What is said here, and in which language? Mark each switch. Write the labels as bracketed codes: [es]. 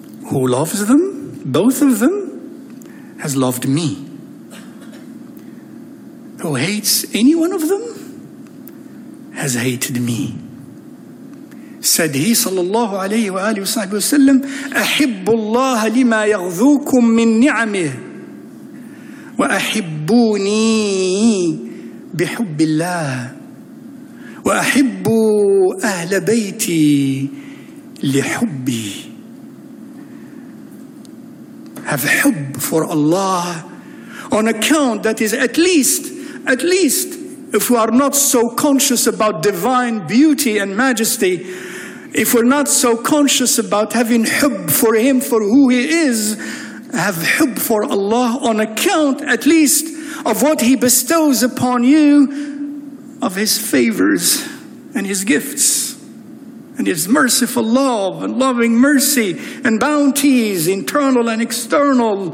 [en] Who loves them, both of them, has loved me. Who hates any one of them has hated me. Said he [ar] sallallahu alayhi wa alihi wa sallam, أحب الله لما يغذوكم من نعمه وأحبوني بحب الله وأحب أهل بيتي لحبي. [en] Have hub for Allah on account that is at least if we are not so conscious about divine beauty and majesty, if we're not so conscious about having hub for Him for who He is, have hub for Allah on account at least of what He bestows upon you of His favors and His gifts and His merciful love and loving mercy and bounties, internal and external.